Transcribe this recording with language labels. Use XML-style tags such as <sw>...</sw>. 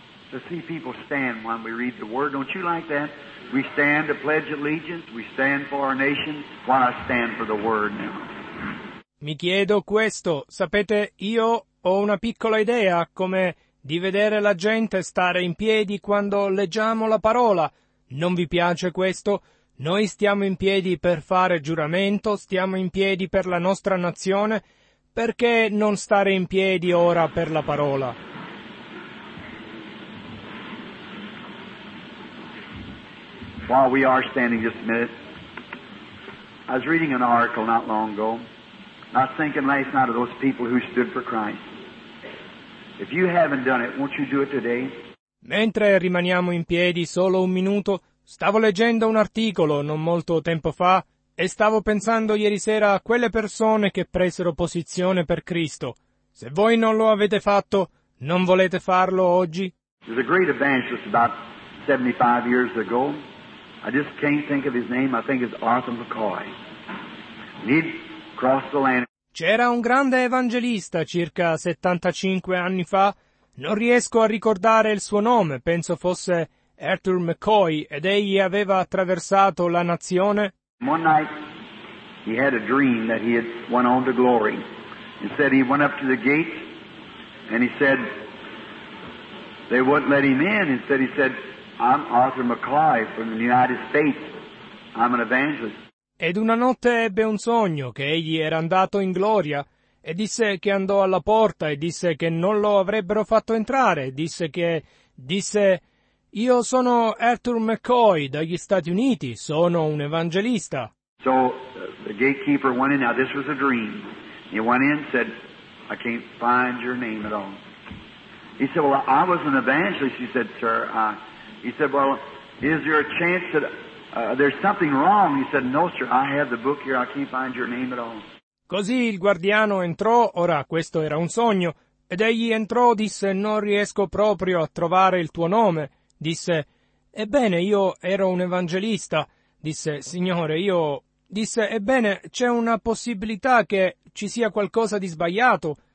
<en>To see people stand when we read the word. Don't you like that? We stand to pledge allegiance. We stand for our nation. Why not stand for the word now?</en> <it>Mi chiedo questo. Sapete, io ho una piccola idea come di vedere la gente stare in piedi quando leggiamo la parola. Non vi piace questo? Noi stiamo in piedi per fare giuramento, stiamo in piedi per la nostra nazione. Perché non stare in piedi ora per la parola?</it> <en>While we are standing just a minute, I was reading an article not long ago. I was thinking last night of those people who stood for Christ. If you haven't done it, won't you do it today?</en> <it>Mentre rimaniamo in piedi solo un minuto, stavo leggendo un articolo non molto tempo fa e stavo pensando ieri sera a quelle persone che presero posizione per Cristo. Se voi non lo avete fatto, non volete farlo oggi?</it> <en>There's a great evangelist about 75 years ago. I just can't think of his name. I think it's Arthur McCoy. He'd crossed the land.</en> <it>C'era un grande evangelista circa 75 anni fa. Non riesco a ricordare il suo nome. Penso fosse Arthur McCoy ed egli aveva attraversato la nazione.</it> <en>One night he had a dream that he had went on to glory. He said he went up to the gate and he said they wouldn't let him in. He said, I'm Arthur McCoy from the United States. I'm an evangelist.</en> <it>Ed una notte ebbe un sogno che egli era andato in gloria e disse che andò alla porta e disse che non lo avrebbero fatto entrare. Disse io sono Arthur McCoy dagli Stati Uniti. Sono un evangelista.</it> <en>So the gatekeeper went in. Now this was a dream. He went in and said, I can't find your name at all. He said, well, I was an evangelist. He said, sir, He said, well, is there a chance that there's something wrong? He said, no, sir, I have the book here, I can't find your name at all.</en> <it>Così il guardiano entrò, ora questo era un sogno, ed egli entrò, disse, non riesco proprio a trovare il tuo nome. Disse, ebbene, io ero un evangelista. Disse, signore, io... Disse, ebbene, c'è una possibilità che ci sia qualcosa di sbagliato.</it>